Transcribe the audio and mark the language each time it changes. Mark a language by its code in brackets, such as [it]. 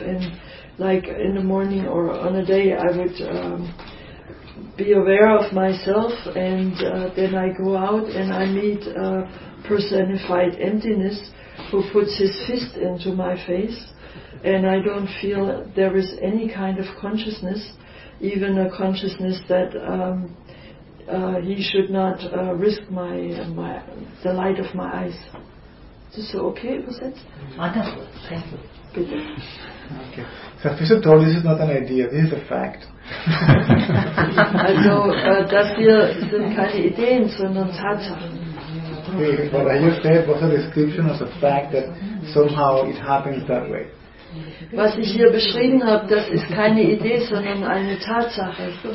[en] And like in the morning or on a day, I would be aware of myself, and then I go out and I meet a personified emptiness who puts his fist into my face, and I don't feel there is any kind of consciousness, even a consciousness that he should not risk my the light of my eyes. Is this okay with it? Wonderful, thank you. [de] Bitte. [en] Okay. So Fischer told you this is not an idea, this is a fact. [de] Also, das hier sind keine Ideen, sondern Tatsachen. [en] What I just said was a description of the fact that somehow it happens that way. [de] Was ich hier beschrieben habe, das ist keine Idee, sondern eine Tatsache.